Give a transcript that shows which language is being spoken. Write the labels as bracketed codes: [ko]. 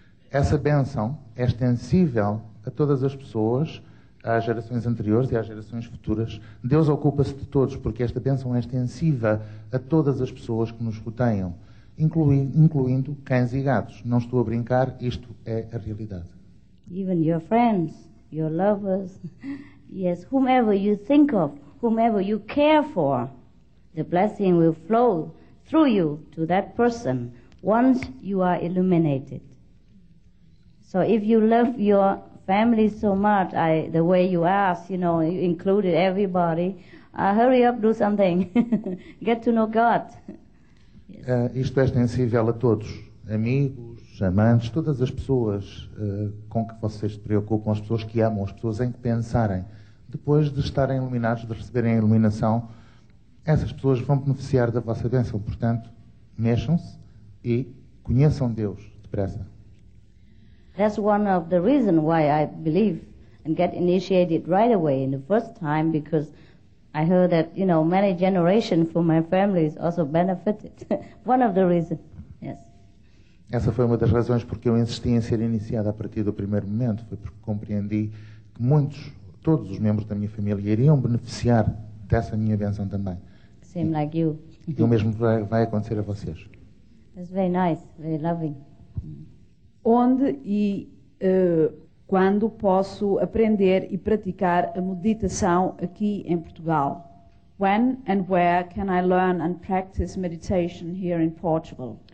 [pt] Essa bênção é extensível a todas as pessoas, às gerações anteriores e às gerações futuras. Deus ocupa-se de todos, porque esta bênção é extensiva a todas as pessoas que nos rodeiam, incluindo cães e gatos. Não estou a brincar, isto é a realidade. [en] Even your friends, your lovers, yes, whomever you think of, whomever you care for, the blessing will flow through you to that person once you are illuminated. So if you love your family so much, the way you ask, you know, you included everybody, hurry up, do something. Get to know God. Yes. [pt] Isto é extensível a todos. Amigos, amantes, todas as pessoas com que vocês se preocupam, as pessoas que amam, as pessoas em que pensarem. Depois de estarem iluminados, de receberem a iluminação, essas pessoas vão beneficiar da vossa bênção. Portanto, mexam-se e conheçam Deus depressa. [en] That's one of the reasons why I believe and get initiated right away in the first time, because I heard that, you know, many generations from my family is also benefited. One of the reasons, yes. [pt] Essa foi uma das razões porque eu insisti em ser iniciada a partir do primeiro momento, foi porque compreendi que todos os membros da minha família iriam beneficiar dessa minha bênção também. [en] Same like you. [pt] E o mesmo vai acontecer a vocês. [en] That's very nice, very loving. [pt] Onde e quando posso aprender e praticar a meditação aqui em Portugal? [en] When and where can I learn and practice meditation here in Portugal?